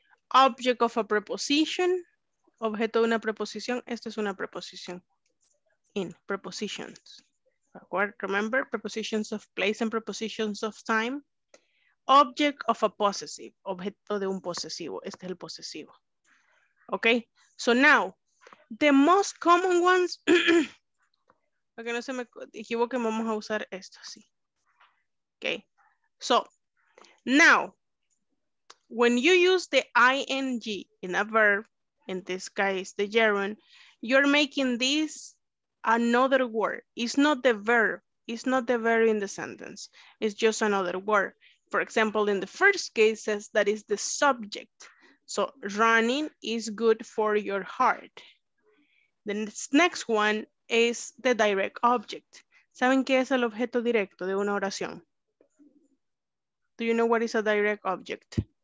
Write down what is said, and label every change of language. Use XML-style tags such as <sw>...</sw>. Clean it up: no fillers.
<en>Object of a preposition,</en> <es>objeto de una preposición. Esta es una preposición.</es> <en>In, prepositions. Remember, prepositions of place and prepositions of time. Object of a possessive,</en> <es>objeto de un posesivo. Este es el posesivo.</es> <en>Okay, so now, the most common ones,</en> <es>para que no se me equivoque, vamos a usar esto así.</es> <en>Okay, so now, when you use the ing in a verb, in this case, the gerund, you're making this another word. It's not the verb. It's not the verb in the sentence. It's just another word. For example, in the first case, says that is the subject. So running is good for your heart. The next one is the direct object.</en> <es>¿Saben qué es el objeto directo de una oración?</es> <en>Do you know what is a direct object?</en>